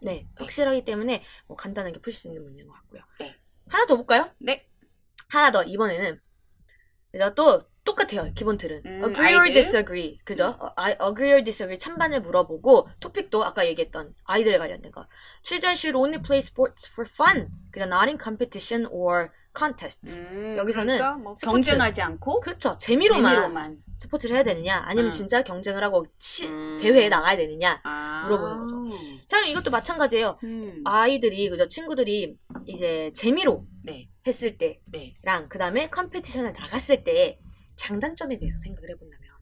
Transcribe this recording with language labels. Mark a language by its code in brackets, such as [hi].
[ko] 네. 네. 확실하기 때문에 뭐 간단하게 풀 수 있는 문제인 것 같고요. 네. 하나 더 볼까요? 네. 하나 더 이번에는 이제 또 똑같아요. 기본 틀은. [en] Agree or disagree. [ko] 그죠? [en] Agree or disagree. [ko] 찬반을 물어보고 토픽도 아까 얘기했던 아이들에 관련된 거. [en] Children should only play sports for fun. [ko] 그죠? [en] Not in competition or contest. [ko] 여기서는 그러니까 뭐 스포츠, 경쟁하지 않고 그쵸. 재미로만 스포츠를 해야 되느냐 아니면 진짜 경쟁을 하고 대회에 나가야 되느냐 물어보는 거죠. 자, 이것도 마찬가지예요. 아이들이 그죠? 친구들이 이제 재미로 네. 했을 때랑 네. 그 다음에 컴페티션을 나갔을 때 장단점에 대해서 생각을 해본다면,